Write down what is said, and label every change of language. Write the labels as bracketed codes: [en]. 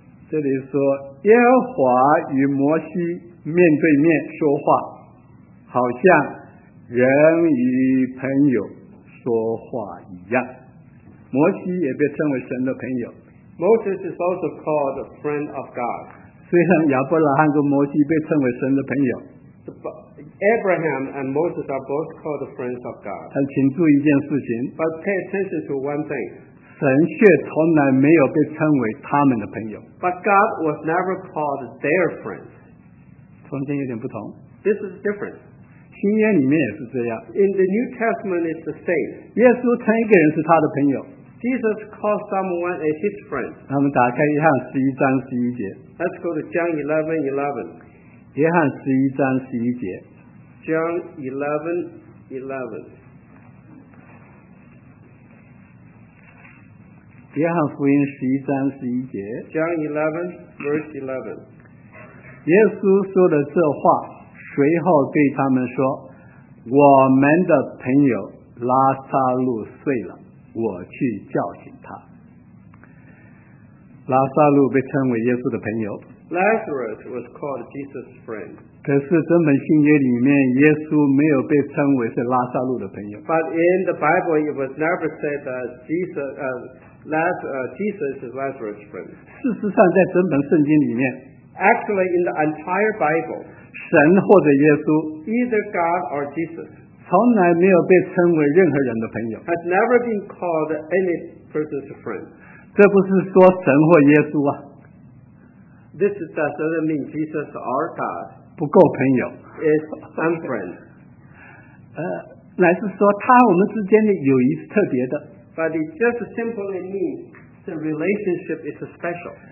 [zh] 这里说耶和华与摩西面对面说话，好像人与朋友说话一样。摩西也被称为神的朋友。 [en] Moses is also called a friend of God. [zh] 虽然亚伯拉罕跟摩西被称为神的朋友， [en] Abraham and Moses are both called friends of God. [zh] 但请注意一件事情， [en] But pay attention to one thing. [zh] 神却从来没有被称为他们的朋友。 [en] But God was never called their friend. [zh] 中间有点不同。 [en] This is different. [zh] 新约里面也是这样。 [en] In the New Testament, it's the same. [zh] 耶稣称一个人是他的朋友。 [en] Jesus called someone as his friend. [zh] 那我们打开约翰十一章十一节。 [en] Let's go to John 11:11. [zh] 约翰十一章十一节。 [en] John 11:11. [zh] 约翰福音十一章十一节。 [en] John 11, verse 11. [zh] 耶稣说了这话，随后对他们说：“我们的朋友拉撒路睡了，我去叫醒他。” 拉撒路被称为耶稣的朋友。 [en] Lazarus was called Jesus' friend. [zh] 可是整本新约里面，耶稣没有被称为是拉撒路的朋友。 [en] But in the Bible, it was never said that Jesus is Lazarus' friend. [zh] 事实上在整本圣经里面， [en] Actually, in the entire Bible, [zh] 神或者耶稣， [en] either God or Jesus, [zh] 从来没有被称为任何人的朋友， [en] has never been called any person's friend. [zh] 这不是说神或耶稣啊， [en] This doesn't mean Jesus or God [zh] 不够朋友， [en] is unfriend. [zh] 乃是说他我们之间的友谊是特别的。 [en] But it just simply means the relationship is special.